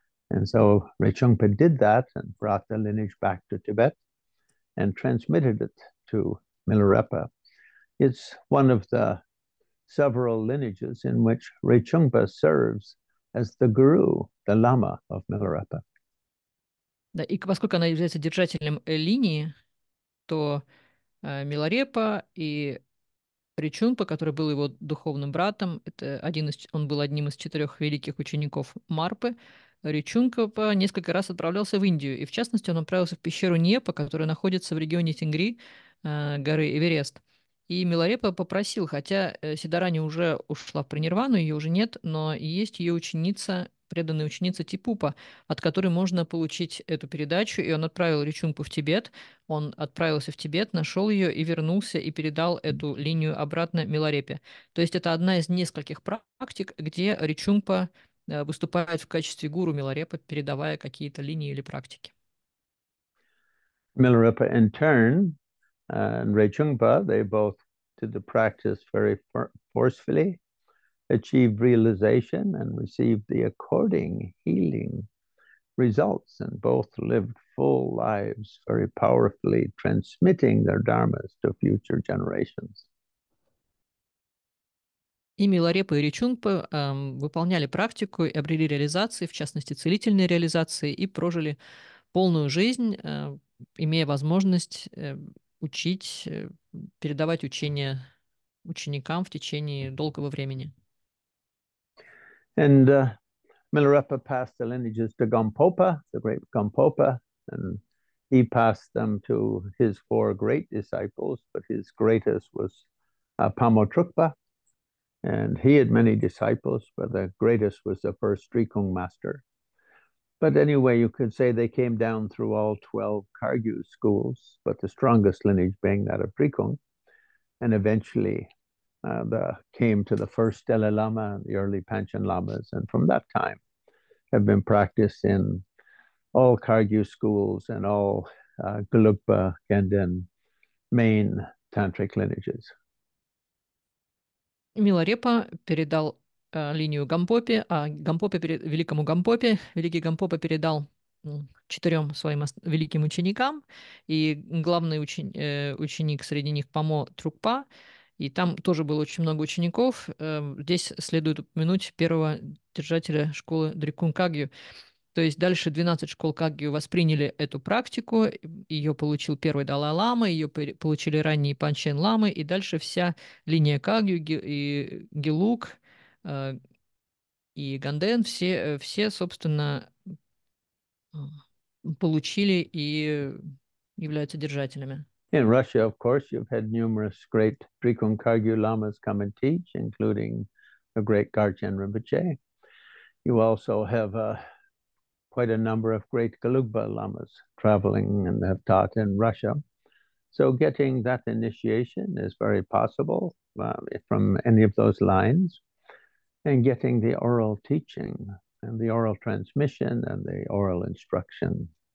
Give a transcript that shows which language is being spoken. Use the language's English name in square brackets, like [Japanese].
[English] And so Rechungpa did that and brought the lineage back to Tibet and transmitted it to Milarepa. It's one of the several lineages in which Rechungpa serves as the guru, the lama of Milarepa. [Russian] Да, и поскольку она является держателем линии, то Миларепа и Речунпа, который был его духовным братом, это один из, он был одним из четырех великих учеников Марпы, Речунпа несколько раз отправлялся в Индию. И в частности, он отправился в пещеру Непа, которая находится в регионе Тингри, горы Эверест. И Миларепа попросил, хотя Сидарани уже ушла в пренирвану, ее уже нет, но есть ее ученица, преданная ученица Типупа, от которой можно получить эту передачу, и он отправил Речунпу в Тибет. Он отправился в Тибет, нашел ее и вернулся, и передал эту линию обратно Миларепе. То есть это одна из нескольких практик, где Речунпа выступает в качестве гуру Миларепы, передавая какие-то линии или практики. [English] Milarepa in turn and Rechungpa, they both did the practice very forcefully, achieved realization and received the according healing results, and both lived full lives very powerfully, transmitting their dharmas to future generations. [Russian] И Миларепа и Речунпа выполняли практику и обрели реализации, в частности, целительные реализации, и прожили полную жизнь, имея возможность учить, передавать учение ученикам в течение долгого времени. [English] And Milarepa passed the lineages to Gompopa, the great Gompopa, and he passed them to his four great disciples, but his greatest was Pamotrukpa. And he had many disciples, but the greatest was the first Drikung master. But anyway, you could say they came down through all 12 Kargyu schools, but the strongest lineage being that of Drikung, and eventually came to the first Dalai Lama, the early Panchen Lamas, and from that time have been practiced in all Kargyu schools and all Gelugpa, Ganden, main tantric lineages. [Russian] Миларепа передал линию Гампопе, а Гампопе великому Гампопе, великий Гампопа передал четырем своим великим ученикам, и главный ученик среди них Памо Трукпа, и там тоже было очень много учеников. Здесь следует упомянуть первого держателя школы Дрикун Кагью. То есть дальше 12 школ Кагью восприняли эту практику, ее получил первый Далай-лама, ее получили ранние Панчен-ламы, и дальше вся линия Кагью и Гелуг и Ганден, все, собственно, получили и являются держателями. [English] In Russia, of course, you've had numerous great Drikung Kagyu lamas come and teach, including the great Garchen Rinpoche. You also have quite a number of great Gelugpa lamas traveling and have taught in Russia. So getting that initiation is very possible from any of those lines, and getting the oral teaching and the oral transmission and the oral instruction.